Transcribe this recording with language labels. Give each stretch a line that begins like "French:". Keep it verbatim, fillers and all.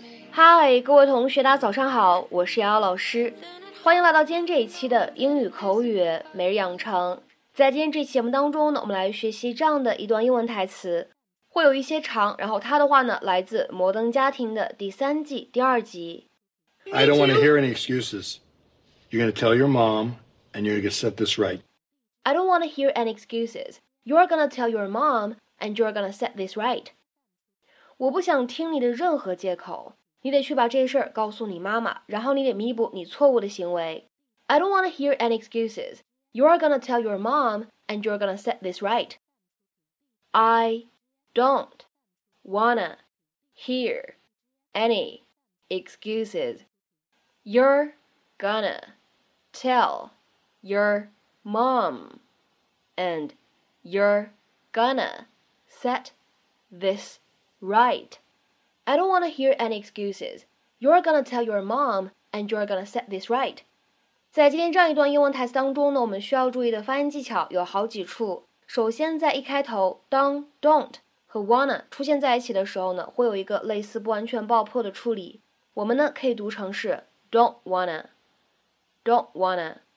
Chinese: 嗨，各位同学，大家早上好，我是瑶瑶老师，欢迎来到今天这一期的英语口语每日养成。在今天这期节目当中呢，我们来学习这样的一段英文台词，会有一些长，然后它的话呢，来自《摩登家庭》的第三季第二集。
English: I don't want to hear any excuses. You're going to tell your mom, and you're going to set this right. I don't want to hear any excuses. You're going to tell your mom, and you're going to set this right.
Chinese: 我不想听你的任何借口。你得去把这事儿告诉你妈妈，然后你得弥补你错误的行为。
English: I don't want to hear any excuses. You are gonna tell your mom, and you're gonna set this right. I don't wanna hear any excuses. You're gonna tell your mom, and you're gonna set this right. I don't want to hear any excuses. You're gonna tell your mom, and you're gonna set this right.
Chinese: 在今天这样一段英文台词当中呢，我们需要注意的发音技巧有好几处。首先，在一开头，当 don't 和 wanna 出现在一起的时候呢，会有一个类似不完全爆破的处理。我们呢可以读成是 don't wanna, don't wanna。